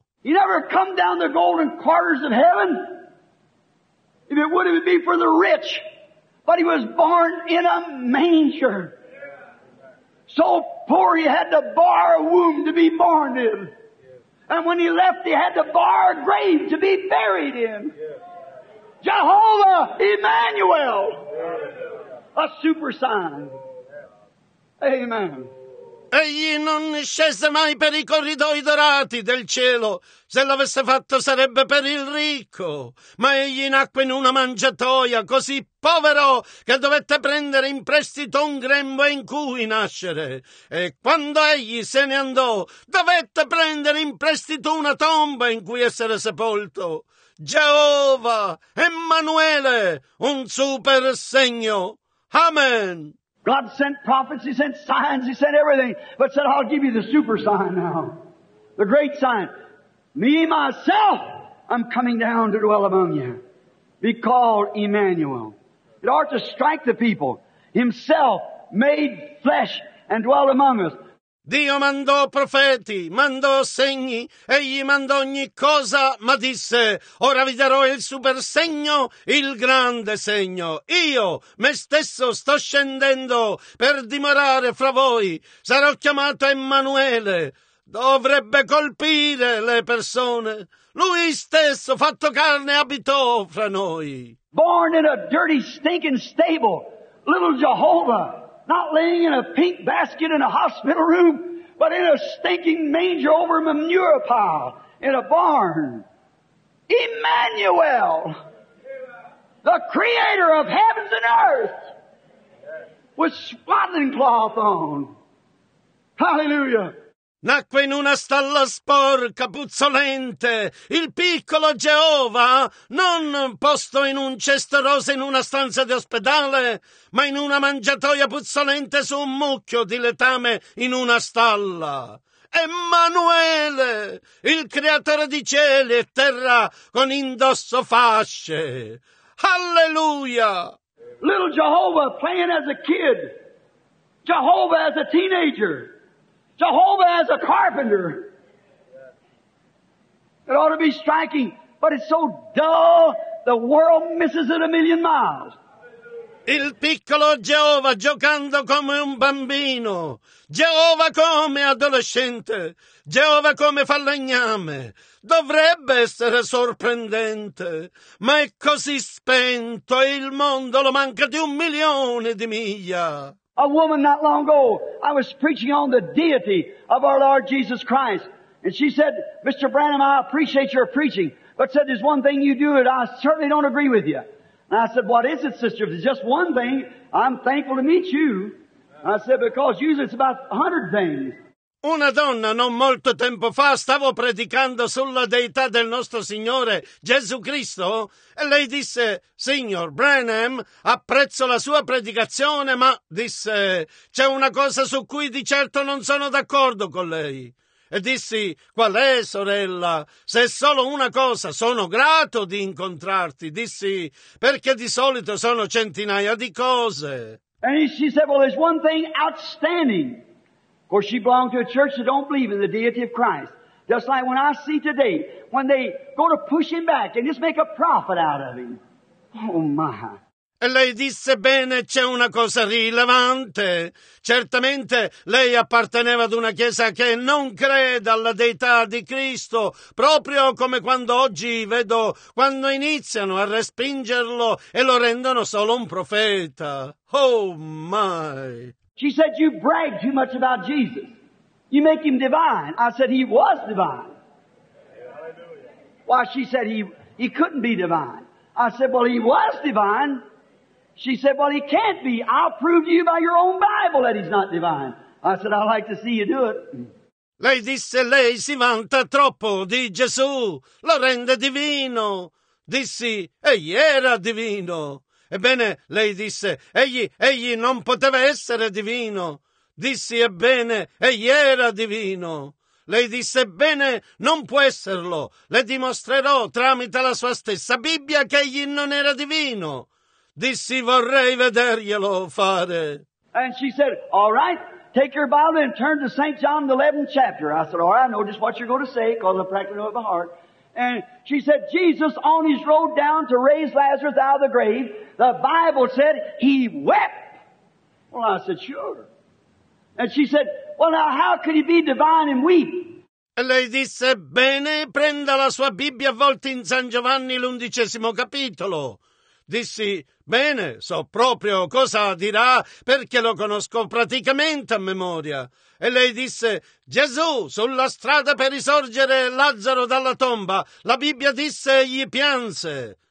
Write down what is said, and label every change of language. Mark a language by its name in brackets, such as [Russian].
[English] He never come down the golden quarters of heaven, if it would be for the rich, but he was born in a manger. So poor he had to borrow a womb to be born in. And when he left, he had to borrow a grave to be buried in. Jehovah Emmanuel, a super sign. Amen. [Italian] Egli non scese mai per i corridoi dorati del cielo. Se l'avesse fatto sarebbe per il ricco. Ma egli nacque in una mangiatoia così povero che dovette prendere in prestito un grembo in cui nascere. E quando egli se ne andò, dovette prendere in prestito una tomba in cui essere sepolto. Geova, Emanuele, un super segno. Amen. [English] God sent prophets, he sent signs, he sent everything, but said, I'll give you the super sign now, the great sign. Me, myself, I'm coming down to dwell among you. Be called Emmanuel. It ought to strike the people. Himself made flesh and dwelt among us. [Italian] Dio mandò profeti, mandò segni, egli mandò ogni cosa, ma disse, ora vi darò il super segno, il grande segno. Io, me stesso, sto scendendo per dimorare fra voi. Sarò chiamato Emanuele. Dovrebbe colpire le persone. Lui stesso, fatto carne, abitò fra noi. [English] Born in a dirty, stinking stable, little Jehovah. Not laying in a pink basket in a hospital room, but in a stinking manger over a manure pile in a barn. Emmanuel, the creator of heavens and earth, with swaddling cloth on. Hallelujah. [Italian] Nacque in una stalla sporca, puzzolente, il piccolo Geova, non posto in un cesto rosa in una stanza di ospedale, ma in una mangiatoia puzzolente su un mucchio di letame in una stalla. Emanuele, il creatore di cieli e terra con indosso fasce. Alleluia! [English] Little Jehovah playing as a kid, Jehovah as a teenager. Jehovah as a carpenter. It ought to be striking, but it's so dull, the world misses it a million miles. [Italian] Il piccolo Geova giocando come un bambino. Geova come adolescente. Geova come falegname. Dovrebbe essere sorprendente. Ma è così spento e il mondo lo manca di un milione di miglia. [English] A woman not long ago, I was preaching on the deity of our Lord Jesus Christ. And she said, Mr. Branham, I appreciate your preaching, but said, there's one thing you do and I certainly don't agree with you. And I said, what is it, sister? If it's just one thing, I'm thankful to meet you. And I said, because usually it's about 100 things. [Italian] Una donna, non molto tempo fa, stavo predicando sulla deità del nostro Signore Gesù Cristo e lei disse, Signor Branham, apprezzo la sua predicazione, ma disse, c'è una cosa su cui di certo non sono d'accordo con lei. E dissi, qual è, sorella? Se è solo una cosa, sono grato di incontrarti. Dissi, perché di solito sono centinaia di cose. [English] And she said, well, there's one thing outstanding. Of course, she belonged to a church that don't believe in the deity of Christ. Just like when I see today, when they go to push him back and just make a prophet out of him. Oh, my. [Italian] E lei disse bene, c'è una cosa rilevante. Certamente lei apparteneva ad una chiesa che non crede alla deità di Cristo, proprio come quando oggi vedo quando iniziano a respingerlo e lo rendono solo un profeta. [English] Oh my! She said you brag too much about Jesus. You make him divine. I said he was divine. Why, she said he couldn't be divine. I said, well, he was divine. She said, well, he can't be. I'll prove to you by your own Bible that he's not divine. I said, I'd like to see you do it. [Italian] Lei disse, lei si vanta troppo di Gesù. Lo rende divino. Dissi, egli era divino. Ebbene, lei disse, egli non poteva essere divino. Dissi, ebbene, egli era divino. Lei disse, bene, non può esserlo. Le dimostrerò tramite la sua stessa Bibbia che egli non era divino. Dissi, vorrei vederglielo fare. [English] And she said, all right, take your Bible and turn to St. John, the 11th chapter. I said, all right, I know just what you're going to say, because I'm practicing with my heart. And she said, Jesus, on his road down to raise Lazarus out of the grave, the Bible said he wept. Well, I said, sure. And she said, well, now, how could he be divine and weep? [Italian] E lei disse, bene, prenda la sua Bibbia avvolta in San Giovanni, l'undicesimo capitolo. Dissi, bene, so proprio cosa dirà, perché lo conosco praticamente a memoria. E lei disse, Gesù, sulla strada per risorgere Lazzaro dalla tomba, la Bibbia disse, gli pianse.